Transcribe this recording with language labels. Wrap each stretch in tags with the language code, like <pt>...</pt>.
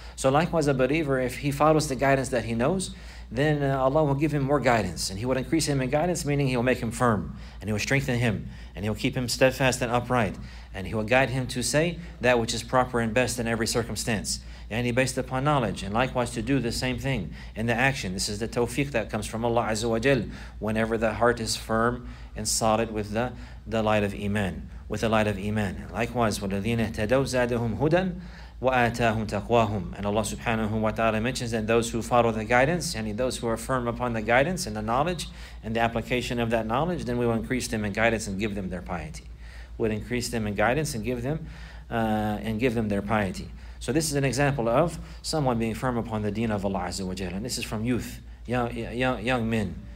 <en>So likewise, a believer, if he follows the guidance that he knows, then Allah will give him more guidance, and he will increase him in guidance, meaning he will make him firm, and he will strengthen him, and he will keep him steadfast and upright, and he will guide him to say that which is proper and best in every circumstance, and he based upon knowledge, and likewise to do the same thing in the action. This is the tawfiq that comes from Allah Azza wa Jal, whenever the heart is firm and solid with the light of Iman, with the light of Iman. Likewise,</en> <ar>وَالَّذِينَ اهْتَدَوْا زَادَهُمْ هُدًى وَآتَاهُمْ تَقْوَاهُمْ.</ar> <en>And Allah subhanahu wa ta'ala mentions that those who follow the guidance, those who are firm upon the guidance and the knowledge and the application of that knowledge, then we will increase them in guidance and give them their piety. We'll increase them in guidance and give them their piety. So this is an example of someone being firm upon the deen of Allah Azza wa Jalla. And this is from youth, young men.</en>